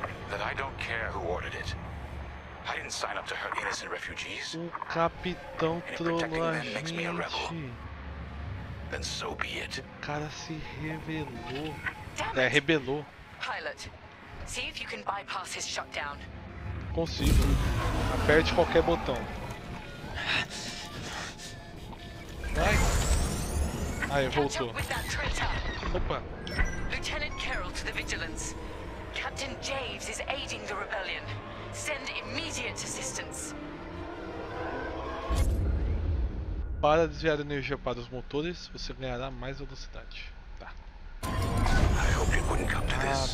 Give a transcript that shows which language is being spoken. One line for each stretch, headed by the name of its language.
English: That I don't care who ordered it. I didn't sign up to hurt innocent refugees.
Portuguese: O capitão trollou a gente.
English: Then so be it.
Portuguese: O cara se rebelou.
English: Pilot, see if you can bypass his shutdown.
Portuguese: Consigo. Aperte qualquer botão. Vai. Aí, voltou. Opa.
English: Lieutenant Carroll to the Vigilance. Captain Javes is aiding the rebellion. Send immediate assistance.
Portuguese: Para desviar energia para os motores, você ganhará mais velocidade. Tá.
English: I hope you wouldn't come to this.